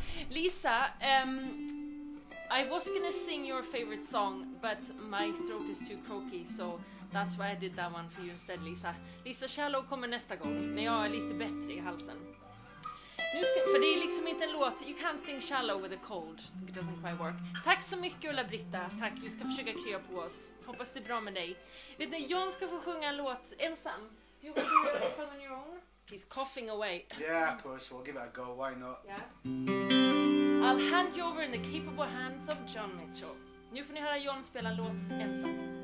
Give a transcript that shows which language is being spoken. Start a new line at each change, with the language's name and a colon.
English: Lisa, I was going to sing your favorite song, but my throat is too croaky, so that's why I did that one for you instead, Lisa.
Swedish: Lisa Shallow kommer nästa gång, när jag är lite bättre I halsen. För det är liksom inte en låt,
English: you can't sing Shallow with a cold, it doesn't quite work.
Swedish: Tack så mycket Ulla-Britta, tack, vi ska försöka krya på oss. Hoppas det är bra med dig. Vet ni, John ska få sjunga en låt ensam.
English: Do you want to do a song on your own? He's coughing away. Yeah, of course, we'll give it a go, why not? Yeah. I'll hand you over in the capable hands of John Mitchell.
Swedish: Nu får ni höra John spela en låt ensam.